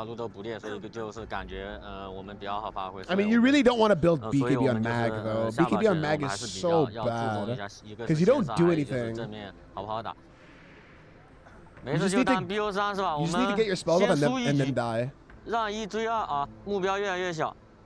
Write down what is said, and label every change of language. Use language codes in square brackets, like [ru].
[zh] 就是这个节奏是我们比较熟悉的，而且线上我们都还就每条路都不裂，所以就是感觉我们比较好发挥。 [en] I mean, you really don't want to build BKB on mag though. BKB on mag is so bad because you don't do anything. You just need to get your spells up and then die. [zh] 让一追二啊，目标越来越小。